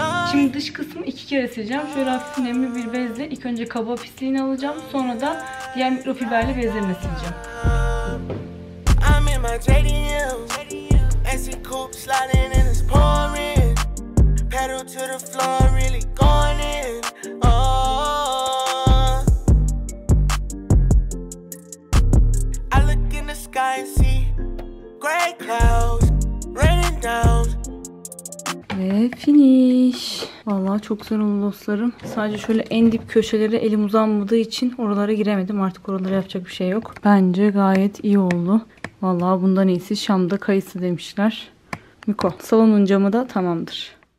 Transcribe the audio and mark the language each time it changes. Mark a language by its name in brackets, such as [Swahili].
[Turkish] Şimdi dış kısmı iki kere sileceğim. Şöyle hafif nemli bir bezle ilk önce kaba pisliğini alacağım. Sonra da diğer mikrofiberli bezlerini sileceğim. [English] JDM. AC coupe sliding and it's pouring. Pedal to the floor, I'm really going in. Oh. I look in the sky and see gray clouds raining down. [Turkish] Ve finish. Vallahi çok güzel oldu dostlarım. Sadece şöyle en dip köşelere elim uzanmadığı için oralara giremedim. Artık oralara yapacak bir şey yok. Bence gayet iyi oldu. Vallahi bundan iyisi Şam'da kayısı demişler. Miko, salonun camı da tamamdır.